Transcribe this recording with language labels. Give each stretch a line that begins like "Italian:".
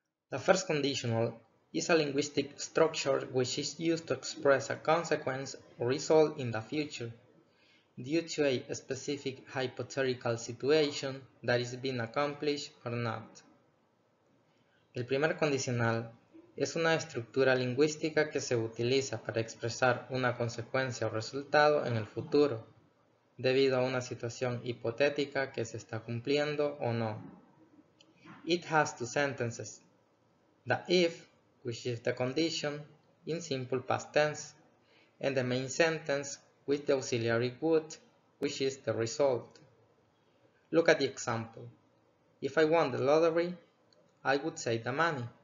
English: The first conditional is a linguistic structure which is used to express a consequence or result in the future due to a specific hypothetical situation that is being accomplished or not.
Spanish: El primer condicional es una estructura lingüística que se utiliza para expresar una consecuencia o resultado en el futuro, debido a una situación hipotética que se está cumpliendo o no.
English: It has two sentences. The if, which is the condition, in simple past tense, and the main sentence with the auxiliary would, which is the result. Look at the example. If I won the lottery, I would save the money.